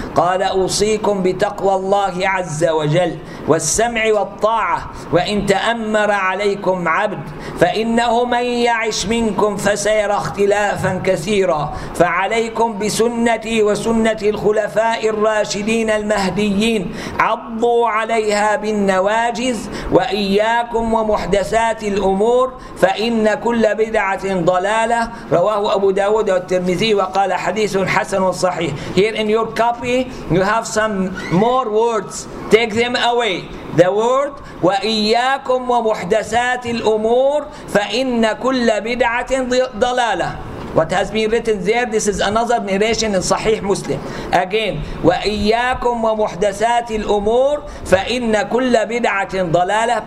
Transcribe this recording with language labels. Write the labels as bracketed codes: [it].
[ar] قال: أوصيكم بتقوى الله عز وجل والسمع والطاعة، وإن تأمر عليكم عبد فإنه من يعش منكم فسيرى اختلافا كثيرا، فعليكم بسنتي وسنة الخلفاء الراشدين المهديين عضوا عليها بالنواجذ، وإياكم ومحدثات الأمور فإن كل بدعة ضلالة. رواه أبو داود والترمذي وقال: حديث حسن صحيح. [en] Here in your copy you have some more words. Take them away. The word: [ar] وإياكم ومحدثات الأمور فإن كل بدعة ضلالة. [en] What has been written there, this is another narration in Sahih Muslim. Again, [ar] وَإِيَّاكُمْ وَمُحْدَثَاتِ الْأُمُورِ فَإِنَّ كُلَّ بِدْعَةٍ ضَلَالَةٍ.